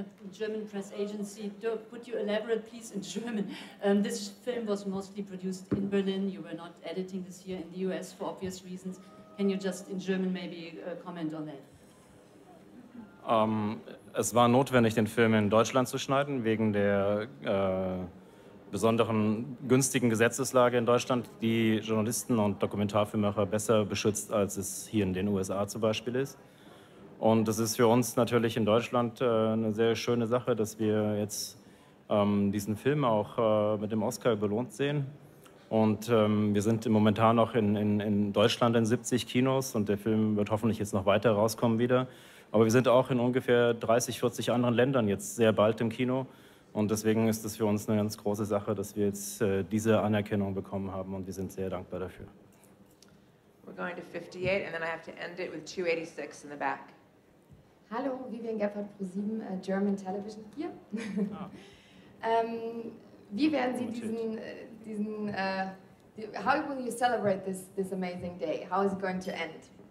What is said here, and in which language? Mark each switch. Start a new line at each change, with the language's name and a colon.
English: German press agency, could you elaborate, please, in German? This film was mostly produced in Berlin. You were not editing this year in the U.S. for obvious reasons. Can you just, in German, maybe comment on that?
German: Es war notwendig, den Film in Deutschland zu schneiden, wegen der besonderen günstigen Gesetzeslage in Deutschland, die Journalisten und Dokumentarfilmmacher besser beschützt, als es hier in den USA zum Beispiel ist. Und es ist für uns natürlich in Deutschland eine sehr schöne Sache, dass wir jetzt diesen Film auch mit dem Oscar belohnt sehen. Und wir sind momentan noch in Deutschland in 70 Kinos und der Film wird hoffentlich jetzt noch weiter rauskommen wieder. Aber wir sind auch in ungefähr 30, 40 anderen Ländern jetzt sehr bald im Kino. Und deswegen ist es für uns eine ganz große Sache, dass wir jetzt diese Anerkennung bekommen haben und wir sind sehr dankbar dafür.
English: We're going to 58 and then I have to end it with 286 in the back.
German: Hallo, Vivian Gebhardt, ProSieben, German Television hier. wie werden Sie
English: how will you celebrate this amazing day? How is it going to end?